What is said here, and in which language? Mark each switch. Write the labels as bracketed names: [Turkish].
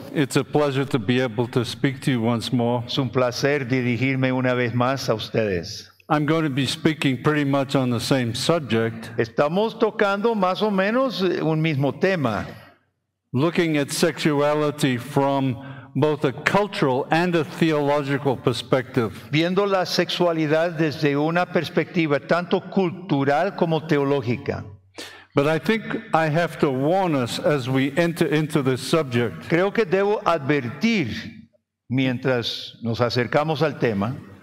[English] It's a pleasure to be able to speak to you once more. [Spanish] Es un placer dirigirme una vez más a ustedes. [English] I'm going to be speaking pretty much on the same subject. [Spanish] Estamos tocando más o menos un mismo tema. [English] Looking at sexuality from both a cultural and a theological perspective. [Spanish] Viendo la sexualidad desde una perspectiva tanto cultural como teológica. [English] But I think I have to warn us as we enter into this subject. [Spanish] Creo que debo advertir mientras nos acercamos al tema.